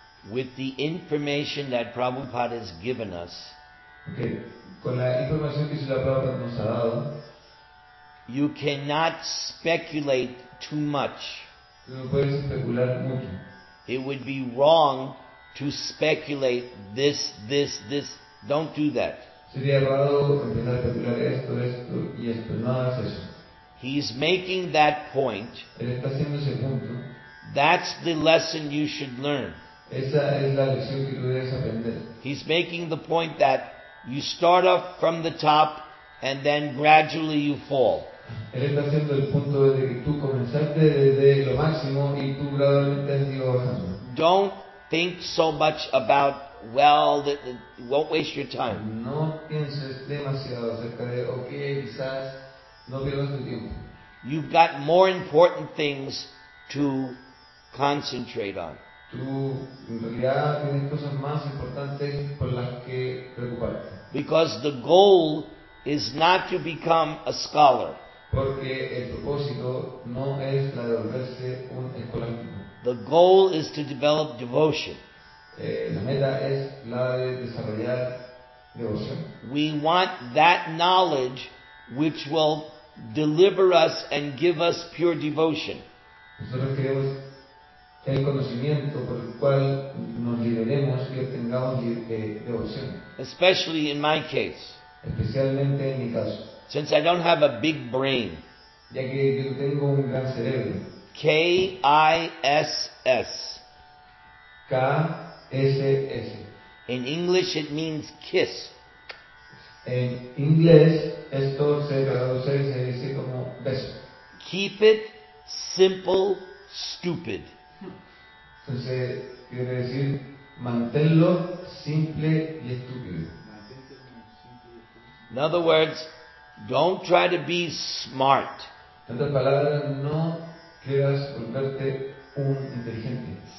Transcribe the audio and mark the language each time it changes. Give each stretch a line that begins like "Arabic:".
English: With the information that Prabhupada has given us,
Spanish: con la información que la Prabhupada nos ha dado,
English: you cannot speculate too much.
Spanish: No puedes especular mucho.
English: It would be wrong to speculate this. Don't do that.
Spanish: Sería errado empezar a especular esto, y esto. No hagas eso.
English: He's making that point.
Spanish: Él está haciendo ese punto.
English: That's the lesson you should learn.
Spanish: Esa es la lección que tú debes aprender.
English: He's making the point that you start off from the top and then gradually you fall.
Spanish: Él está haciendo el punto de que tú comenzaste desde lo máximo y tú gradualmente has ido bajando.
English: Don't think so much about, well, won't waste your time.
Spanish: No pienses demasiado acerca de, okay, quizás no pierdas tu tiempo.
English: You've got more important things to concentrate on.
Spanish: Tú en realidad tienes cosas más importantes por las que preocuparte.
English: Because the goal is not to become a scholar.
Spanish: Porque el propósito no es la de volverse un escolástico.
English: The goal is to develop devotion.
Spanish: La meta es la de desarrollar devoción.
English: We want that knowledge which will deliver us and give us pure devotion.
Spanish: Nosotros queremos el conocimiento por el cual nos liberemos y obtengamos devoción.
English: Especially in my case.
Spanish: Especialmente en mi caso.
English: Since I don't have a big brain.
Spanish: Ya que yo tengo un gran cerebro.
English: K-I-S-S.
Spanish: K-S-S.
English: In English it means kiss.
Spanish: En inglés esto se traduce y se dice como beso.
English: Keep it simple, stupid.
Spanish: Entonces, quiere decir, manténlo simple y estúpido.
English: In other words, don't try to be smart.
Spanish: En otras palabras, no quieras volverte un inteligente.